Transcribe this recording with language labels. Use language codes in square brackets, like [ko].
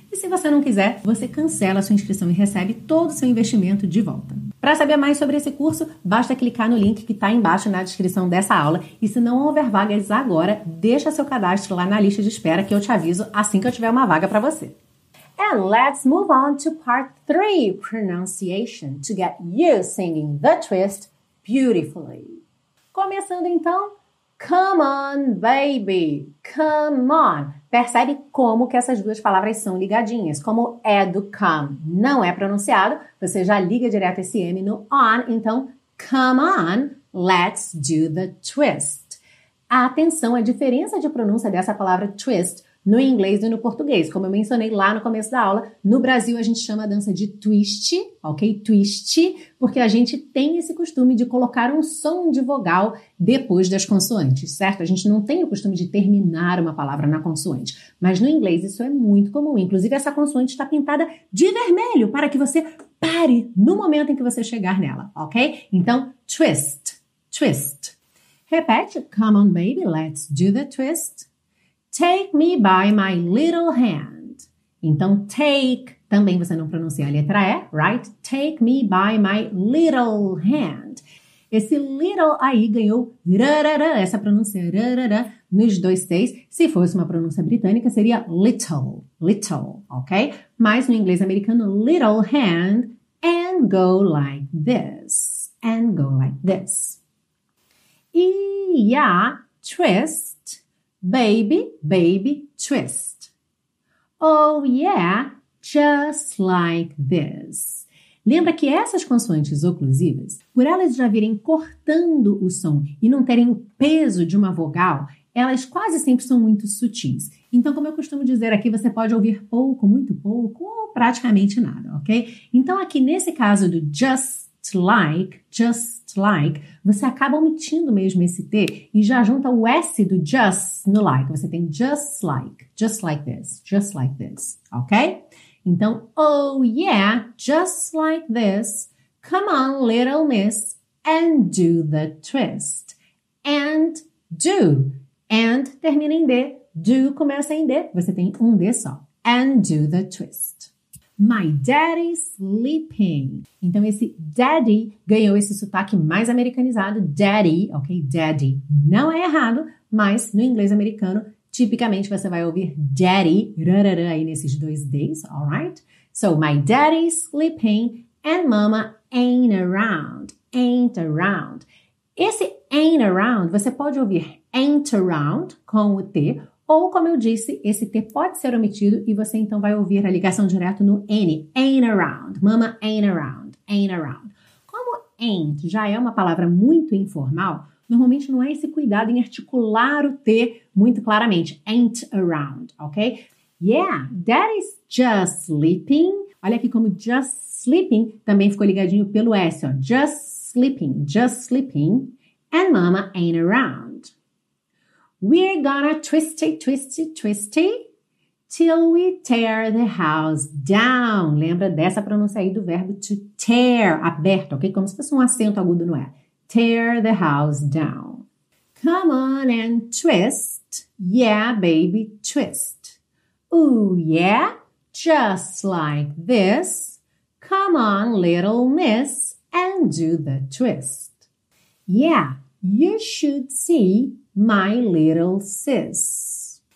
[pt] E se você não quiser, você cancela a sua inscrição e recebe todo o seu investimento de volta. Para saber mais sobre esse curso, basta clicar no link que está embaixo na descrição dessa aula. E se não houver vagas agora, deixa seu cadastro lá na lista de espera que eu te aviso assim que eu tiver uma vaga para você. [en] And let's move on to part 3, pronunciation, to get you singing the twist beautifully. [pt] Começando então, [en] come on, baby, come on. [pt] Percebe como que essas duas palavras são ligadinhas. Como é do come, não é pronunciado, você já liga direto esse M no on. [en] Então, come on, let's do the twist. [pt] Atenção, a diferença de pronúncia dessa palavra twist no inglês e no português. Como eu mencionei lá no começo da aula, no Brasil a gente chama a dança de twist, ok? Twist, porque a gente tem esse costume de colocar um som de vogal depois das consoantes, certo? A gente não tem o costume de terminar uma palavra na consoante. Mas no inglês isso é muito comum. Inclusive essa consoante está pintada de vermelho para que você pare no momento em que você chegar nela, ok? [en] Então, twist, twist. Repete, come on baby, let's do the twist. Take me by my little hand. [pt] Então, take, também você não pronuncia a letra E, right? [en] Take me by my little hand. [pt] Esse little aí ganhou rarara, essa pronúncia rarara, nos dois T's. Se fosse uma pronúncia britânica, seria little, little, ok? Mas no inglês americano, [en] little hand, and go like this, and go like this. E a twist. Baby, baby, twist. Oh, yeah, just like this. [pt] Lembra que essas consoantes oclusivas, por elas já virem cortando o som e não terem o peso de uma vogal, elas quase sempre são muito sutis. Então, como eu costumo dizer aqui, você pode ouvir pouco, muito pouco, ou praticamente nada, ok? Então, aqui nesse caso do just like, você acaba omitindo mesmo esse T e já junta o S do just no like. Você tem [en] just like this, ok? Então, oh yeah, just like this, come on little miss and do the twist. [pt] And do, and termina em D, do começa em D, você tem um D só. [en] And do the twist. My daddy's sleeping. [pt] Então, esse daddy ganhou esse sotaque mais americanizado. Daddy, ok? Daddy. Não é errado, mas no inglês americano, tipicamente você vai ouvir daddy rarara, aí nesses dois D's, alright? [en] So, my daddy's sleeping and mama ain't around. Ain't around. [pt] Esse ain't around, você pode ouvir ain't around com o T. Ou, como eu disse, esse T pode ser omitido e você então vai ouvir a ligação direto no N. Ain't around. [en] Mama ain't around. Ain't around. [pt] Como ain't já é uma palavra muito informal, normalmente não é esse cuidado em articular o T muito claramente. [en] Ain't around, ok? Yeah, that is just sleeping. [pt] Olha aqui como just sleeping também ficou ligadinho pelo S. [en] Ó. Just sleeping. And mama ain't around. We're gonna twisty, twisty, twisty till we tear the house down. [pt] Lembra dessa pronúncia aí do verbo to tear, aberto, ok? Como se fosse um acento agudo, não é? [en] Tear the house down. Come on and twist. Yeah, baby, twist. Ooh, yeah, just like this. Come on, little miss, and do the twist. Yeah, you should see my little sis.